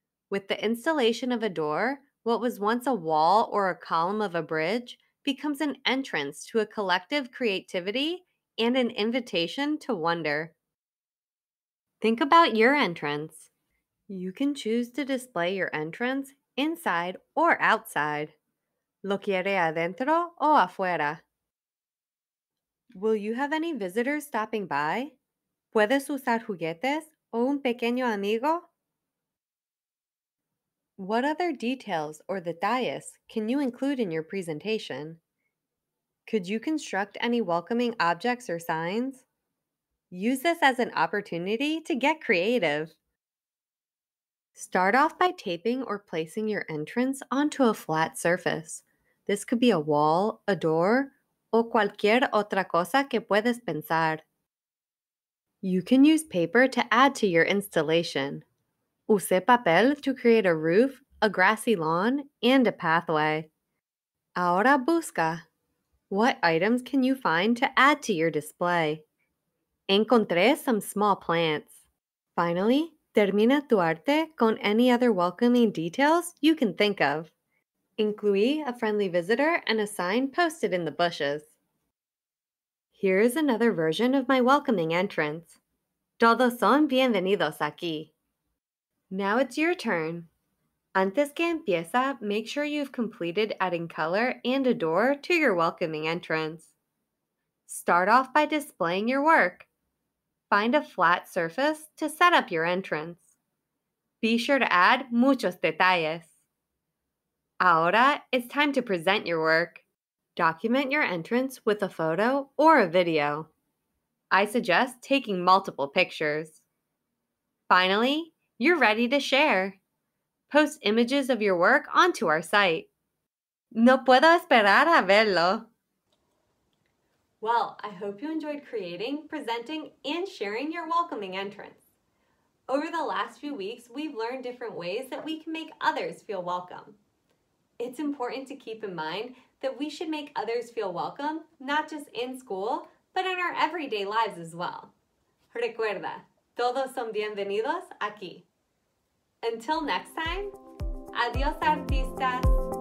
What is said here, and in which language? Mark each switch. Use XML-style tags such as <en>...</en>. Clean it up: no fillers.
<en>With the installation of a door, what was once a wall or a column of a bridge becomes an entrance to a collective creativity and an invitation to wonder. Think about your entrance. You can choose to display your entrance inside or outside.</en> <es>¿Lo quiere adentro o afuera?</es> <en>Will you have any visitors stopping by?</en> <es>¿Puedes usar juguetes o un pequeño amigo?</es> <en>What other details or detalles can you include in your presentation? Could you construct any welcoming objects or signs? Use this as an opportunity to get creative. Start off by taping or placing your entrance onto a flat surface. This could be a wall, a door,</en> <es>o cualquier otra cosa que puedes pensar.</es> <en>You can use paper to add to your installation. Use papel to create a roof, a grassy lawn, and a pathway.</en> <es>Ahora busca.</es> <en>What items can you find to add to your display?</en> <es>Encontré</es> <en>some small plants. Finally,</en> <es>termina tu arte con</es> <en>any other welcoming details you can think of.</en> <es>Incluí</es> <en>a friendly visitor and a sign posted in the bushes. Here is another version of my welcoming entrance.</en> <es>Todos son bienvenidos aquí.</es> <en>Now it's your turn.</en> <es>Antes que empieza,</es> <en>make sure you've completed adding color and a door to your welcoming entrance. Start off by displaying your work. Find a flat surface to set up your entrance. Be sure to add</en> <es>muchos detalles. Ahora,</es> <en>it's time to present your work. Document your entrance with a photo or a video. I suggest taking multiple pictures. Finally, you're ready to share. Post images of your work onto our site.</en> <es>No puedo esperar a verlo.</es> <en>Well, I hope you enjoyed creating, presenting, and sharing your welcoming entrance. Over the last few weeks, we've learned different ways that we can make others feel welcome. It's important to keep in mind that we should make others feel welcome, not just in school, but in our everyday lives as well.</en> <es>Recuerda, todos son bienvenidos aquí.</es> <en>Until next time,</en> <es>adiós artistas.</es>